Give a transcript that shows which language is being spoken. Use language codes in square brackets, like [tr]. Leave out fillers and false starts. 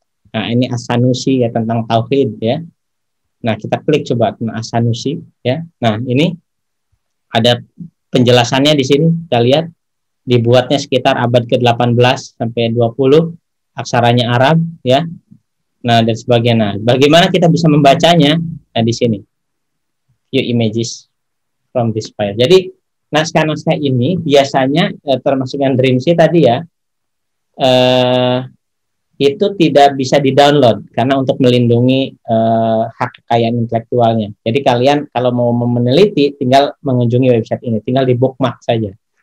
[id] Nah, ini As-Sanusi ya, tentang tauhid ya. Nah, kita klik coba As-Sanusi ya. Nah, ini ada penjelasannya di sini. Kita lihat dibuatnya sekitar abad ke-18 sampai 20, aksaranya Arab ya. Nah, dan sebagainya. Bagaimana kita bisa membacanya? Nah, di sini. [en] View images from this file. [id] Jadi naskah-naskah ini biasanya termasuk yang Dreamsy tadi ya, itu tidak bisa di-download karena untuk melindungi hak kekayaan intelektualnya. Jadi kalian kalau mau meneliti tinggal mengunjungi website ini, tinggal di bookmark saja.